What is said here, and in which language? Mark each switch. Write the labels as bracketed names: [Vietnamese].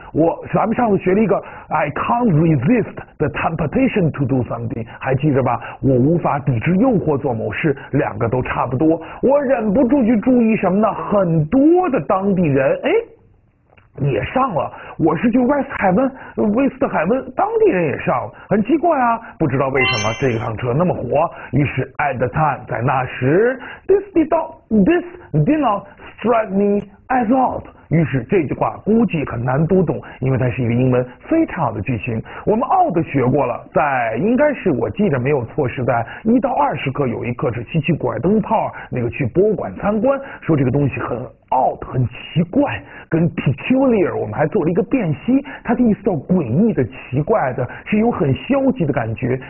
[Chinese] 我咱们上次学了一个 [English] I can't resist the temptation to do something, [Chinese] 还记着吧，我无法抵制诱惑做某事，两个都差不多。我忍不住去注意什么呢？很多的当地人也上了，我是去威斯特海温，当地人也上了，很奇怪啊，不知道为什么这一趟车那么火。于是 [English] at the time, [Chinese] 在那时 [English] this did not strike me as odd。 [Chinese] 于是这句话估计很难读懂，因为它是一个英文非常好的句型。我们奥的学过了，在应该是我记得没有错，是在一到二十课有一课是稀奇古怪灯泡，那个去博物馆参观，说这个东西很odd, 很奇怪，跟 peculiar 我们还做了一个辨析，它的意思叫诡异的、奇怪的，是有很消极的感觉。